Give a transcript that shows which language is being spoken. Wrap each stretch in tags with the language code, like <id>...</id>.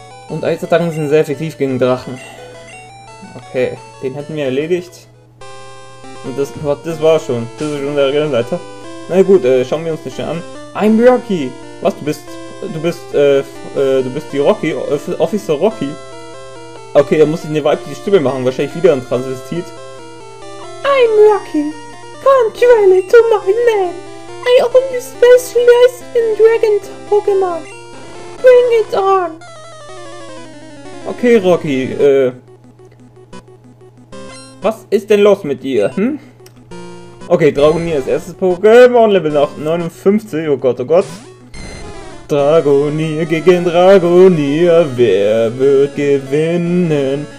<de>Und Eisattacken sind sehr effektiv gegen Drachen. Okay, den hätten wir erledigt. Und das war schon. Das ist schon der Arena-Leiter. Na gut, schauen wir uns das schnell an.</de> <en>I'm Rocky!</en> <de>Was, du bist die Rocky, Officer Rocky? Okay, dann muss ich eine weibliche Stimme machen, wahrscheinlich wieder ein Transvestit.</de> <en>I'm Rocky, contrary to my name, I only specialize in Dragon Pokémon. Bring it on!</en> <de>Okay, Rocky, was ist denn los mit dir, hm? Okay, Dragonier ist erstes Pokémon, Level 59, oh Gott, Dragonier gegen Dragonier, wer wird gewinnen?</de>